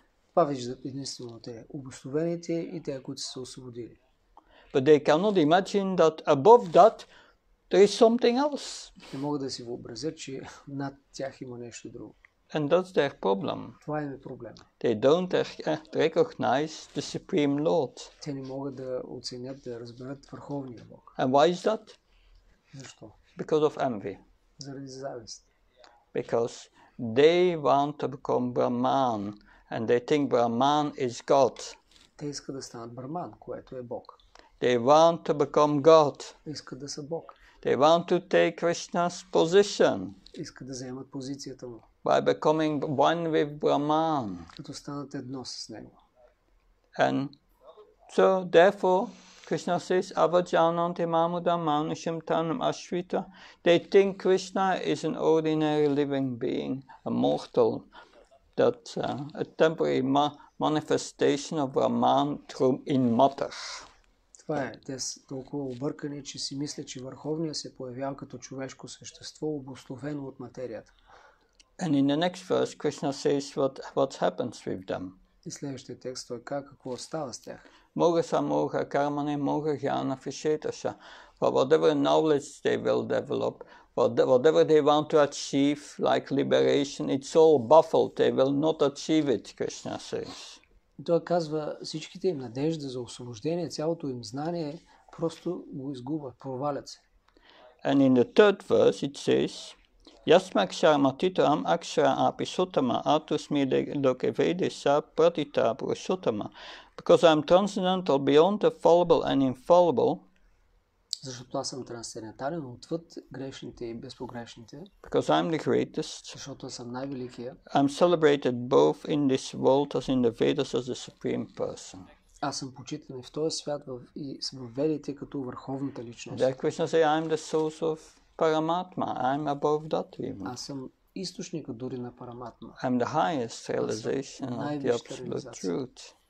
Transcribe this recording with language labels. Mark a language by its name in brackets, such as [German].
[Bulgarian] Това виждат единствено те, обусловените и те, които са се освободили. [English] But they cannot imagine that above that there is something else. [Bulgarian] Не могат да си въобразят, че над тях има нещо друго. [English] And that's their problem. [Bulgarian] Това е проблем. [English] They don't recognize the Supreme Lord. [Bulgarian] Те не могат да оценят, да разберат върховния Бог. [English] And why is that? [Bulgarian] Защо? [English] Because of envy. [Bulgarian] Заради завист. [English] Because they want to become Brahman. And they think Brahman is God. [Bulgarian] Те искат да станат Брахман, което е Бог. [English] They want to become God. [Bulgarian] Искат да са Бог. [English] They want to take Krishna's position. [Bulgarian] Искат да заемат позицията му. [English] By becoming one with Brahman. [Bulgarian] Като станат едно с него. [English] And so therefore Krishna says [Sanskrit] avajananti mamudam manushim tanam ashrita. [English] They think Krishna is an ordinary living being, a mortal. That a temporary manifestation of Brahman through in matter. [Bulgarian] Това е, те са толкова объркани, че си мисля, че върховният се появява като човешко същество, обусловено от материята. [English] And in the next verse, Krishna says what happens with them. [Bulgarian] И следващия текст той казва какво става с тях. [Sanskrit] Могха самогха кармане могха гьяна фишеташа. [English] But whatever knowledge they will develop, whatever they want to achieve, like liberation, it's all baffled. They will not achieve it, Krishna says. [Bulgarian] Той казва всичките им надежда за освобождение, цялото им знание, просто го изгубят, провалят се. [English] And in the third verse it says, [Sanskrit] Yasmak sharmatitam akshara apisotama atusmi lokevedesa pratita prusotama. [English] Because I'm transcendental beyond the fallible and infallible. [Bulgarian] Защото аз съм трансцендентален отвъд грешните и безпогрешните. [English] Because I'm the greatest. [Bulgarian] Защото съм най-великия. [English] I'm celebrated both in this world as in the Vedas as the supreme person. [Bulgarian] Аз съм почитан и в този свят и в Ведите като върховната личност. [English] That Krishna says I'm the source of Paramatma. I'm above that even. [Bulgarian] Аз съм източника дори на Параматма. [English] I'm the highest realization of the absolute truth.